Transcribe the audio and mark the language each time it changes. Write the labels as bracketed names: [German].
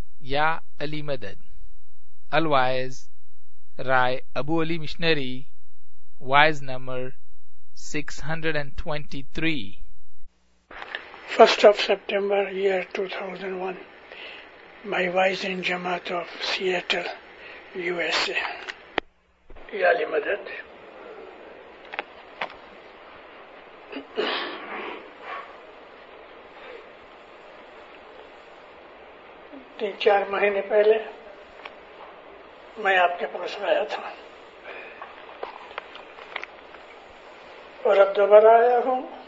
[Hindi] या अली मदद, always Rai Abu Ali missionary, wise number 623। [English] 1st of September, year 2001, my wise in Jamaat of Seattle, USA. [Hindi] Ya Ali Madad, तीन चार महीने पहले मैं आपके पास आया था और अब दोबारा आया हूं।